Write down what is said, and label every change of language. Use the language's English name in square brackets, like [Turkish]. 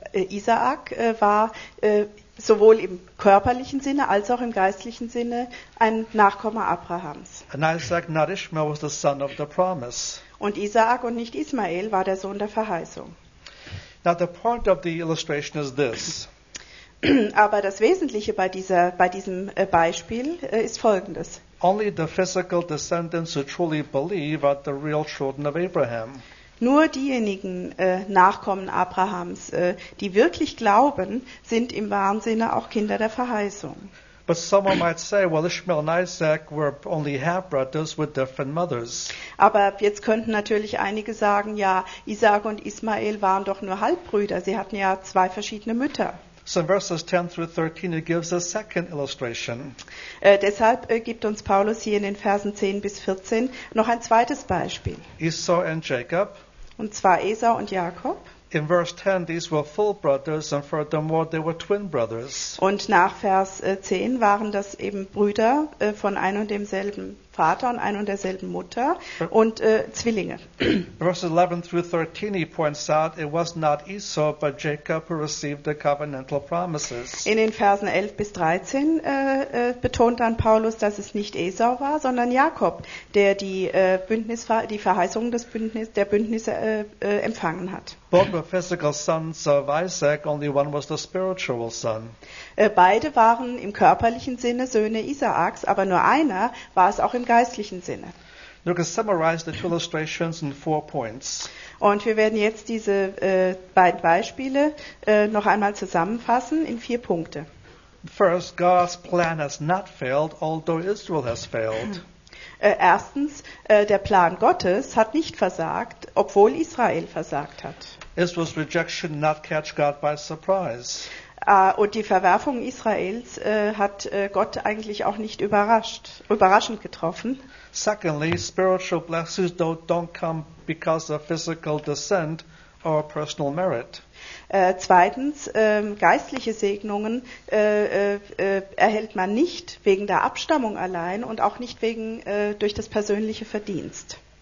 [German] Isaak war sowohl im körperlichen Sinne als auch im geistlichen Sinne ein Nachkomme Abrahams. [English] And Isaac, not Ishmael, was the son of the promise. [German] Und Isaak und nicht Ismael war der Sohn der Verheißung. [English] Now the point of the illustration is this. [German] Aber das Wesentliche bei diesem Beispiel ist Folgendes. [English] Only the physical descendants who truly believe are the real children of Abraham. [German] Nur diejenigen Nachkommen Abrahams, die wirklich glauben, sind im wahren Sinne auch Kinder der Verheißung. [English] But someone might say, well, Ishmael and Isaac were only half-brothers with different mothers. [German] Aber jetzt könnten natürlich einige sagen, ja, Isaac und Ismael waren doch nur Halbbrüder, sie hatten ja zwei verschiedene Mütter. [English] So in verses 10 through 13, it gives a second illustration. [German] Deshalb gibt uns Paulus hier in den Versen 10 bis 14 noch ein zweites Beispiel. [English] Esau and Jacob. [German] Und zwar Esau und Jakob. [English] In verse 10, these were full brothers, and furthermore, they were twin brothers. [German] Und nach Vers 10 waren das eben Brüder von ein und demselben Vater und ein und derselben Mutter und Zwillinge. [English] Verses 11 through 13, he points out, it was not Esau, but Jacob who received the covenantal promises. [German] In den Versen 11 bis 13 betont dann Paulus, dass es nicht Esau war, sondern Jakob, der die Verheißungen des Bündnisse empfangen hat. [English] Both were physical sons of Isaac, only one was the spiritual son. [German] Beide waren im körperlichen Sinne Söhne Isaaks, aber nur einer war es auch im geistlichen Sinne. [English] You can summarize the two illustrations in four points. [German] Und wir werden jetzt diese beiden Beispiele noch einmal zusammenfassen in vier Punkte. [English] First, God's plan has not failed, although Israel has failed. [German] Erstens, der Plan Gottes hat nicht versagt, obwohl Israel versagt hat. [English] Israel's rejection did not catch God by surprise. [German] Und die Verwerfung Israels hat Gott eigentlich auch nicht überraschend getroffen. [English] Secondly, spiritual blessings don't come because of physical descent or personal merit. [German] Zweitens, geistliche Segnungen erhält man nicht wegen der Abstammung allein und auch nicht durch das persönliche Verdienst.